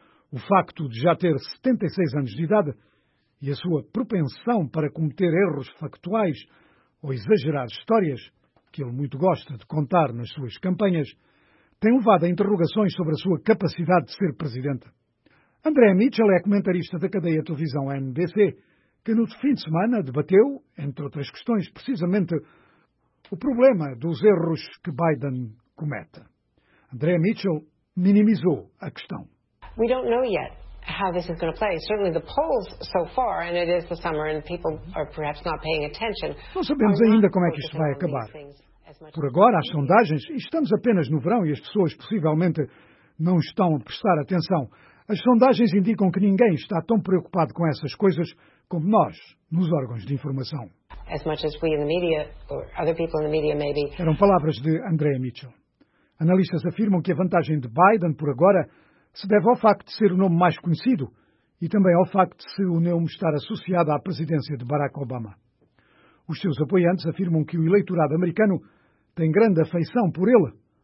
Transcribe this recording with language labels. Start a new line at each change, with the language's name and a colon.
Portuguese: O facto de já ter 76 anos de idade e a sua propensão para cometer erros factuais ou exagerar histórias, que ele muito gosta de contar nas suas campanhas, tem levado a interrogações sobre a sua capacidade de ser presidente. André Mitchell é comentarista da cadeia de televisão NBC, que no fim de semana debateu, entre outras questões, precisamente o problema dos erros que Biden comete. Andrea Mitchell minimizou a questão.
English: We don't know yet how this is going to play. Certainly the polls so far, and it is the summer, and people are perhaps not paying attention.
Portuguese: Não sabemos ainda como é que isto vai acabar. Por agora, as sondagens, e estamos apenas no verão e as pessoas possivelmente não estão a prestar atenção. As sondagens indicam que ninguém está tão preocupado com essas coisas como nós, nos órgãos de informação.
English: As much as we in the media, or other people in the media maybe.
Portuguese: Eram palavras de Andrea Mitchell. Analistas afirmam que a vantagem de Biden, por agora, se deve ao facto de ser o nome mais conhecido e também ao facto de se o Neum estar associado à presidência de Barack Obama. Os seus apoiantes afirmam que o eleitorado americano tem grande afeição por ele.